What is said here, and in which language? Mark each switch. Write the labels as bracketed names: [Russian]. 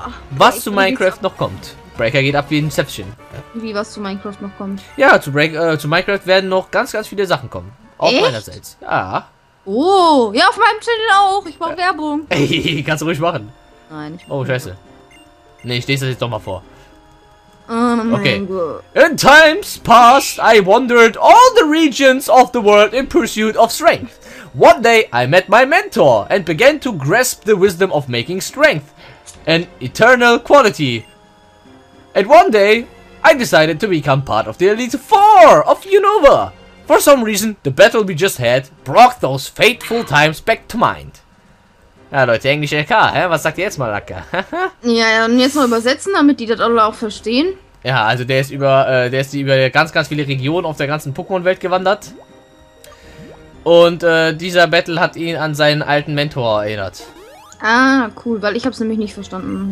[German] Was zu Minecraft noch kommt. Breaker geht ab wie Inception. Wie, was zu Minecraft noch kommt? Ja, zu Minecraft werden noch ganz, ganz viele Sachen kommen. Auch meinerseits. Ja. Oh, ja, auf meinem Channel auch. Ich mache Werbung. Kannst du ruhig machen. Nein, ich mach Scheiße. Nee, ich lese das jetzt doch mal vor. Okay. [English] In times past, I wandered all the regions of the world in pursuit of strength. One day I met my mentor and began to grasp the wisdom of making strength an eternal quality. And one day I decided to become part of the Elite Four of Unova. For some reason, the battle we just had brought those fateful times back to mind. [German] Ja, Leute, englische LK, hä? Was sagt ihr jetzt mal, Lacke? Ja, ja, und jetzt mal übersetzen, damit die das alle auch verstehen. Ja, also der ist über ganz, ganz viele Regionen auf der ganzen Pokémon-Welt gewandert. Und dieser Battle hat ihn an seinen alten Mentor erinnert. Ah, cool, weil ich hab's nämlich nicht verstanden.